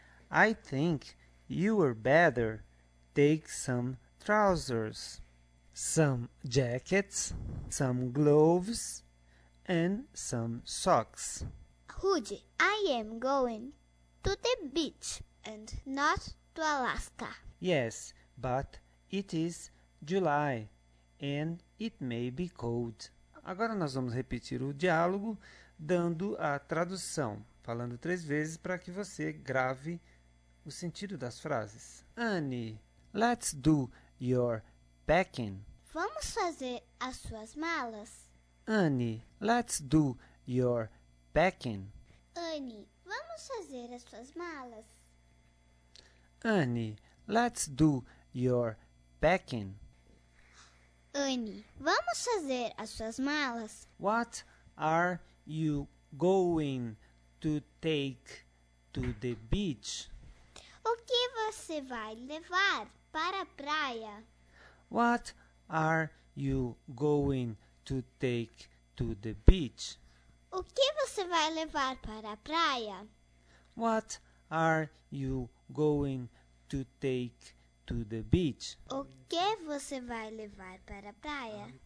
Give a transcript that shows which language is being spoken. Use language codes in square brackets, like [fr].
[en] I think you were better take some trousers, some jackets, some gloves, and some socks. Rudy, I am going to the beach and not to Alaska. Yes, but it is July and it may be cold. [pt] Agora nós vamos repetir o diálogo dando a tradução, falando três vezes para que você grave o sentido das frases. [en] Anne, let's do your packing. [pt] Vamos fazer as suas malas? [en] Anne, let's do your packing. [pt] Anne, vamos fazer as suas malas? [en] Anne, let's do your packing. [pt] Anne, vamos fazer as suas malas? [en] What are you going to take to the beach? [pt] O que você vai levar para a praia? [en] What are you going to take to the beach? [pt] O que você vai levar para a praia? [en] What are you going to take to the beach? [pt] O que você vai levar para a praia?